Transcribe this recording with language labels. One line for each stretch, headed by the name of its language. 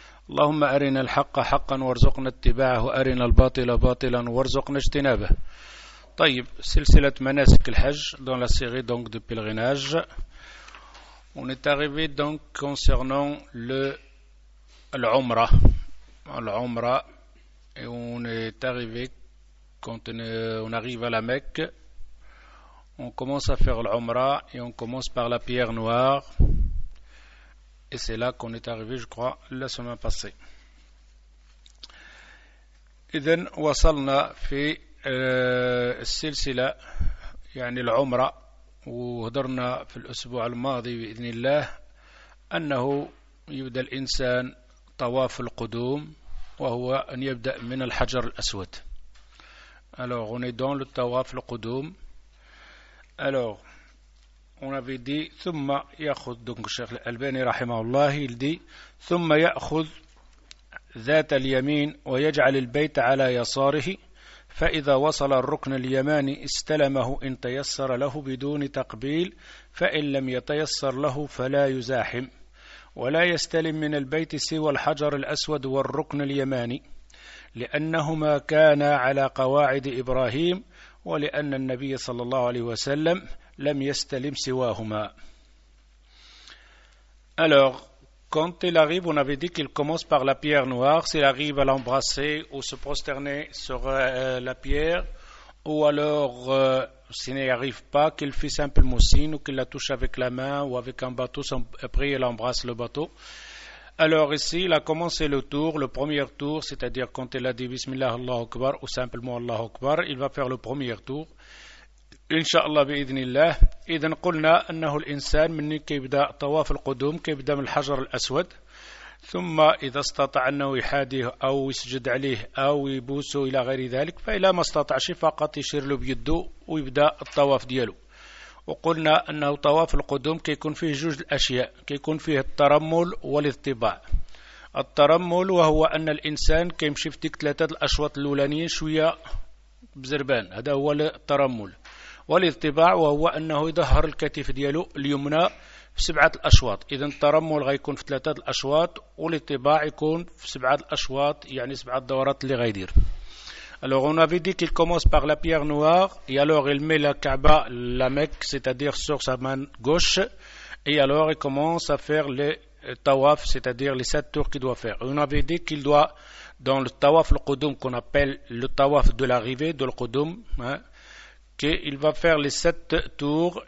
Arabic: اللهم أرنا الحق حقا وارزقنا اتباعه، أرنا الباطل باطلا وارزقنا اجتنابه. طيب، سلسلة مناسك الحج
French: dans la série donc de pèlerinage. On est arrivé donc concernant l'Umra. L'Umra, et on est arrivé quand on arrive à la Mecque, on commence à faire l'Umra et on commence par la pierre noire. Et c'est là qu'on est arrivé, je crois, la semaine passée.
Arabic: إذن وصلنا في السلسلة يعني العمرة وهدرنا في الأسبوع الماضي بإذن الله أنه يبدأ الإنسان طواف القدوم وهو أن يبدأ من الحجر الأسود.
French: Alors on est dans le tawaf le qudum. Alors on avait dit
Arabic: ثم يأخذ
French: donc الشيخ الألباني رحمه الله il dit ثم يأخذ
Arabic: ذات اليمين ويجعل البيت على يساره فإذا وصل الركن اليماني استلمه إن تيسر له بدون تقبيل فإن لم يتيسر له فلا يزاحم ولا يستلم من البيت سوى الحجر الأسود والركن اليماني لأنهما كانا على قواعد إبراهيم ولأن النبي صلى الله عليه وسلم لم يستلم سواهما.
French: Alors, quand il arrive, on avait dit qu'il commence par la pierre noire, s'il arrive à l'embrasser ou se prosterner sur la pierre, ou alors, s'il n'y arrive pas, qu'il fait simple moussine ou qu'il la touche avec la main ou avec un bateau, après il embrasse le bateau. Alors ici, il a commencé le tour, le premier tour, c'est-à-dire quand il a dit Bismillah Allah Akbar ou simplement Allah Akbar, il va faire le premier tour.
Arabic: Inch'Allah bi'idhnillah. إذن قلنا أنه الإنسان من يبدأ طواف القدوم كيبدأ من الحجر الأسود ثم إذا استطع أنه يحاديه أو يسجد عليه أو يبوسه إلى غير ذلك فإلا ما استطع شيء فقط يشير له بيده ويبدأ الطواف دياله. وقلنا أنه طواف القدوم كيكون فيه جوج الأشياء، كيكون فيه الترمل والاضطباع. الترمل وهو أن الإنسان كيمشي في ثلاثة الأشواط الأولانيين شوية بزربان، هذا هو الترمل. والاضطباع وهو أنه يظهر الكتف ديالو اليمنى في سبعة الأشواط. إذن الترمل غيكون في ثلاثة الأشواط والاضطباع يكون في سبعة الأشواط، يعني سبعة دورات اللي غيدير.
French: Alors on avait dit qu'il commence par la pierre noire et alors il met la Kaaba, la Mecque, c'est-à-dire sur sa main gauche, et alors il commence à faire les tawaf, c'est-à-dire les sept tours qu'il doit faire. On avait dit qu'il doit, dans le tawaf le Qudum, qu'on appelle le tawaf de l'arrivée, de le Qudum, qu'il va faire les sept tours.